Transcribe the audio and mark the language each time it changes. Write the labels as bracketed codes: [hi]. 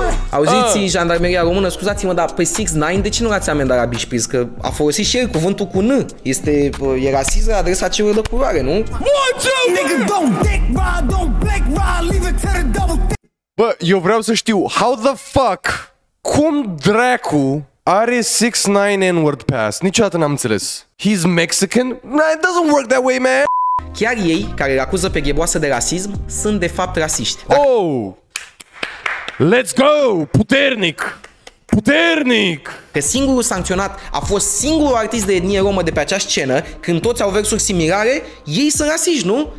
[ro] Auziți, jandarmeria română, scuzați-mă, dar pe 6ix9ine, de ce nu l-ați amendat la Bișpriz? Că a folosit și el cuvântul cu N. Este, e rasist la adresa celor de culoare, nu? Bă, eu vreau să știu, [en] how the fuck... [ro] Cum dracu are 6ix9ine N-word pass? Niciodată n-am înțeles. [en] He's Mexican? It doesn't work that way, man! [ro] Chiar ei, care îl acuză pe Gheboasă de rasism, sunt de fapt rasiști. [en] Oh! Let's go! [ro] Puternic! Puternic! Că singurul sancționat a fost singurul artist de etnie romă de pe acea scenă, când toți au versuri similare, ei sunt rasiști, nu?